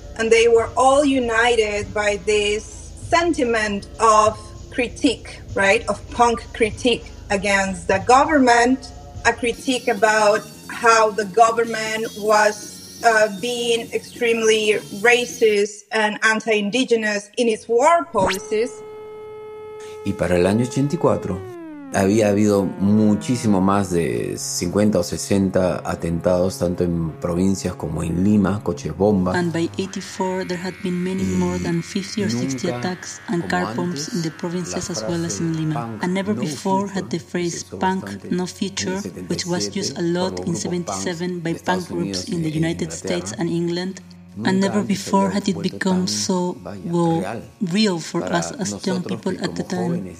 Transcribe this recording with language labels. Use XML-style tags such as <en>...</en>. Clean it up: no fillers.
<en>And they were all united by this sentiment of critique, right? Of punk critique against the government, a critique about how the government was being extremely racist and anti-indigenous in its war policies.</en> <es>Y para el año 84 había habido muchísimo más de 50 o 60 atentados tanto en provincias como en Lima, coches bomba.</es> <en>And by 84 there had been many more than 50 or 60 attacks and car bombs in the provinces as well as in Lima. And never before had the phrase punk no future, which was used a lot in 77 by punk groups in the United States and England, and never before had it become so, well, real for us as young people at the time.</en>